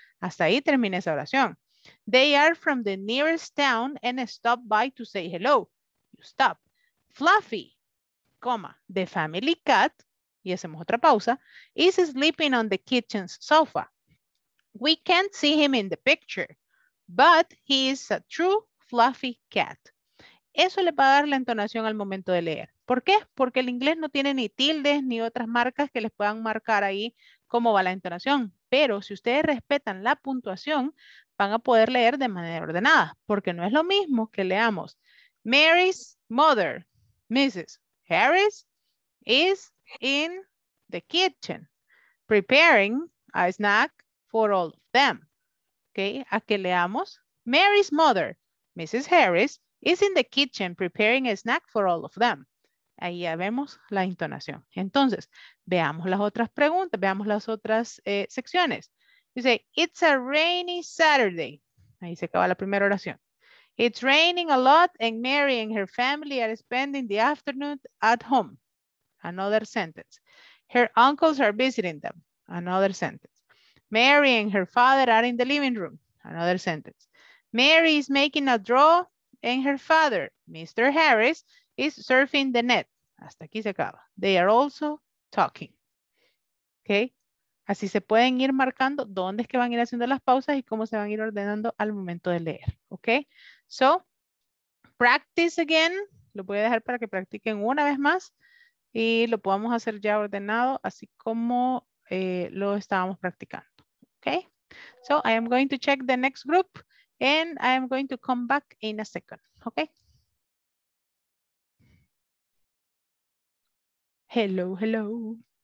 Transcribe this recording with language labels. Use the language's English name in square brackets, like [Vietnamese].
[Spanish] Hasta ahí termina esa oración. [English] They are from the nearest town and stop by to say hello. Stop. Fluffy, coma, the family cat, [Spanish] y hacemos otra pausa, [English] is sleeping on the kitchen's sofa. We can't see him in the picture, but he is a true fluffy cat. [Spanish] Eso le va a dar la entonación al momento de leer. ¿Por qué? Porque el inglés no tiene ni tildes ni otras marcas que les puedan marcar ahí cómo va la entonación. Pero si ustedes respetan la puntuación, van a poder leer de manera ordenada, porque no es lo mismo que leamos [English] Mary's mother, Mrs. Harris, is in the kitchen preparing a snack for all of them. [Spanish] Okay, a que leamos. [English] Mary's mother, Mrs. Harris, is in the kitchen preparing a snack for all of them. [Spanish] Ahí ya vemos la intonación. Entonces, veamos las otras preguntas, veamos las otras secciones. [English] You say, it's a rainy Saturday. [Spanish] Ahí se acaba la primera oración. [English] It's raining a lot and Mary and her family are spending the afternoon at home. Another sentence. Her uncles are visiting them. Another sentence. Mary and her father are in the living room. Another sentence. Mary is making a draw and her father, Mr. Harris, is surfing the net. [Spanish] Hasta aquí se acaba. [English] They are also talking. Okay. [Spanish] Así se pueden ir marcando dónde es que van a ir haciendo las pausas y cómo se van a ir ordenando al momento de leer. Okay. [English] So, practice again. [Spanish] Lo voy a dejar para que practiquen una vez más y lo podamos hacer ya ordenado, así como lo estábamos practicando. [English] Okay. So I am going to check the next group and I am going to come back in a second. Okay. Hello, hello.